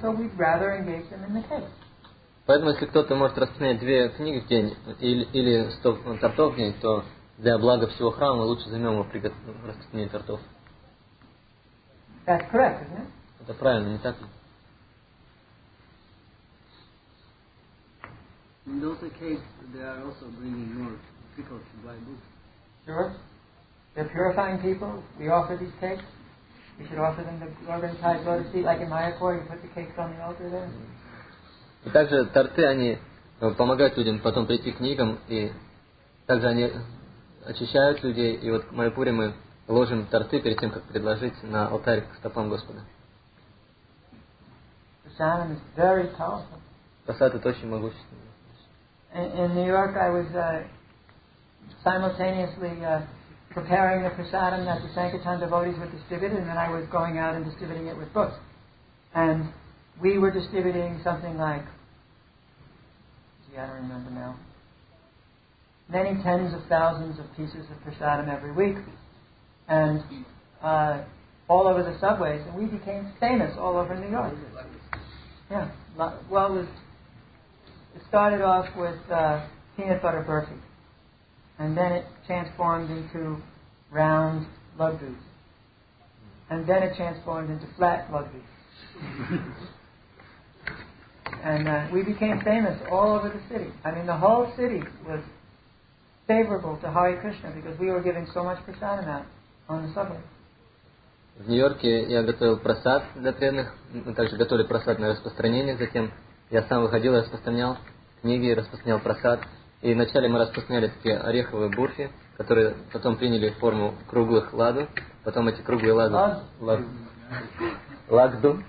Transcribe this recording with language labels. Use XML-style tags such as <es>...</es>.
<en>So we'd rather engage them in the cakes.</en> <ru>Поэтому, если кто-то может распространять две книги в день или 100 тортов в день, то для блага всего храма лучше займем его распространение тортов.</ru> <en>That's correct, isn't it?</en> <ru>Это правильно, не так ли?</ru> <en>In those cases, they are also bringing more people to buy books. Sure. They're purifying people. We offer these cakes. We should offer them the Golden Tide Lotus Seat, like in Mayapur, you put the cakes on the altar there.</en> <ru>И также торты, они помогают людям потом прийти к книгам, и также они очищают людей, и вот в Майпуре мы ложим торты перед тем, как предложить на алтарь к стопам Господа.</ru> <en>Prasadam is very powerful.</en> <ru>Прасад — это очень могущественный.</ru> <en>In New York I was simultaneously preparing the prasadam that the Sankirtan devotees would distribute, and then I was going out and distributing it with books. And we were distributing something like, gee, I don't remember now, many tens of thousands of pieces of prasadam every week, and all over the subways, and we became famous all over New York. Yeah, well, it started off with peanut butter burfi, and then it transformed into round laddus, and then it transformed into flat laddus. And we became famous all over the city. I mean, the whole city was favorable to Hare Krishna because we were giving so much prasadam out on the subway.</en> <ru>В Нью-Йорке я готовил просад для преданных. Мы также готовили просад на распространение. Затем я сам выходил и распространял книги, распространял просад. И вначале мы распространяли такие ореховые бурфи, которые потом приняли форму круглых ладу. Потом эти круглые ладу... Лагду.</ru>